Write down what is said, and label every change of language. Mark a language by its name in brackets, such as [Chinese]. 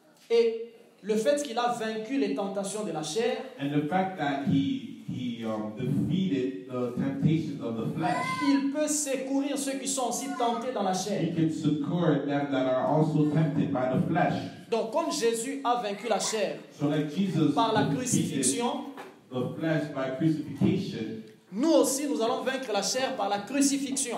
[French] Et le fait qu'il a vaincu les tentations de la chair, [English] and the fact that he defeated the temptations of the flesh, [French] il peut secourir ceux qui sont aussi tentés dans la chair. [English] He can succour them that are also tempted by the flesh. [French] Donc comme Jésus a vaincu la chair, [English] so like Jesus, [French] par la crucifixion, [English] the flesh by crucifixion, [French] nous aussi nous allons vaincre la chair par la crucifixion.